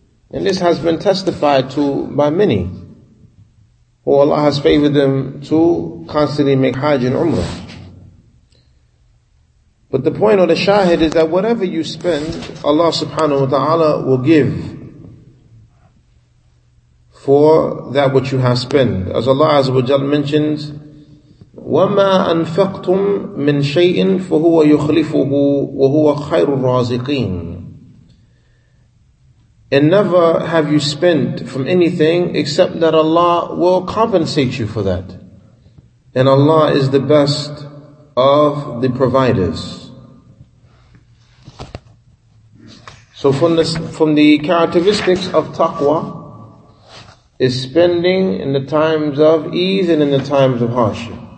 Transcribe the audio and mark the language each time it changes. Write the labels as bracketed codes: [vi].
[en] And this has been testified to by many. Who Allah has favored them to constantly make hajj and umrah. But the point of the shahid is that whatever you spend, Allah subhanahu wa ta'ala will give for that which you have spent. As Allah azza wa jalla mentions, [ar] وَمَا أَنْفَقْتُمْ مِنْ شَيْءٍ فَهُوَ يُخْلِفُهُ وَهُوَ خَيْرُ الرَّازِقِينَ. [en] And never have you spent from anything except that Allah will compensate you for that. And Allah is the best of the providers. So from the characteristics of taqwa is spending in the times of ease and in the times of hardship.